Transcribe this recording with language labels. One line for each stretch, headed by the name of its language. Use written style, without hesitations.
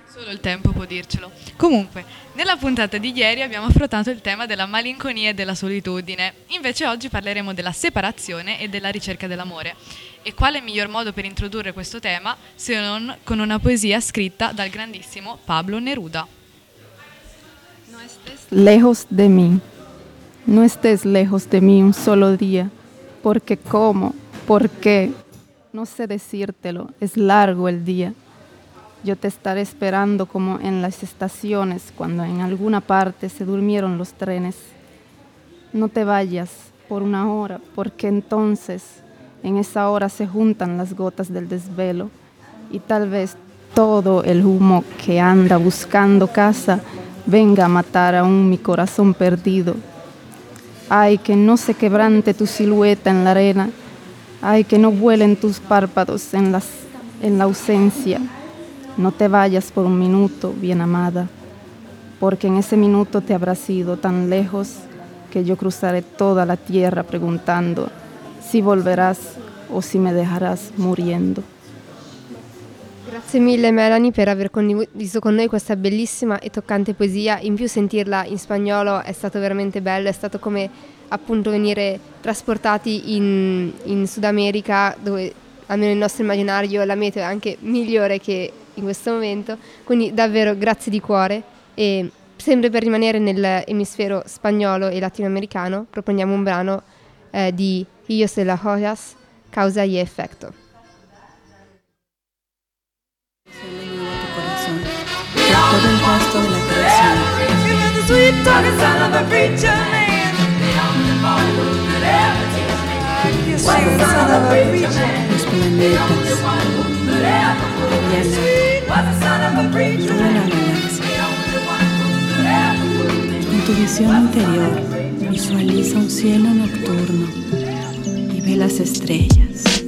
Italian: Solo il tempo può dircelo. Comunque, nella puntata di ieri abbiamo affrontato il tema della malinconia e della solitudine. Invece oggi parleremo della separazione e della ricerca dell'amore. E quale miglior modo per introdurre questo tema se non con una poesia scritta dal grandissimo Pablo Neruda.
Spanish: Lejos de mí. No estés lejos de mí un solo día, porque cómo, por qué, no sé decírtelo, es largo el día. Yo te estaré esperando como en las estaciones cuando en alguna parte se durmieron los trenes. No te vayas por una hora, porque entonces en esa hora se juntan las gotas del desvelo y tal vez todo el humo que anda buscando casa venga a matar aún mi corazón perdido. Ay, que no se quebrante tu silueta en la arena. Ay, que no vuelen tus párpados en la ausencia. No te vayas por un minuto, bien amada, porque en ese minuto te habrás ido tan lejos que yo cruzaré toda la tierra preguntando si volverás o si me dejarás muriendo.
Italian: Grazie mille Melanie per aver condiviso con noi questa bellissima e toccante poesia, in più sentirla in spagnolo è stato veramente bello, è stato come appunto venire trasportati in Sud America, dove almeno il nostro immaginario la meteo è anche migliore che in questo momento, quindi davvero grazie di cuore e sempre per rimanere nell'emisfero spagnolo e latinoamericano proponiamo un brano di Hijos de las Joyas, Causa y Efecto.
Spanish: Todo el resto de la creación.
English: Peter, the son of a preacher man. The only boy that ever teased me. Was the son of a preacher man. The only one that ever pulled me. Was the son of a preacher man. The only one that ever pulled me.
Spanish: En tu visión interior, visualiza un cielo nocturno y ve las estrellas.